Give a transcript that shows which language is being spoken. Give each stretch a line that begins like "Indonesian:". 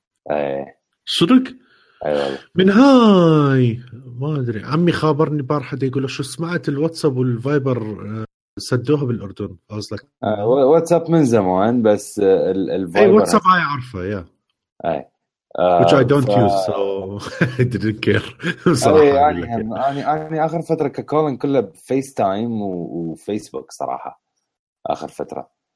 Arabic: ايه صدق؟ اي والله من هاي ما ادري، عمي خابرني بارحة يقول شو سمعت الواتساب والفايبر سدوها بالاردن. قصدك واتساب من زمان بس الفايبر؟ اي واتساب هاي اعرفه يا ايه
English: which I don't use so I didn't care.
Arabic: صراحة يعني آخر فترة كولين كله فيس تايم وفيسبوك صراحة آخر فترة.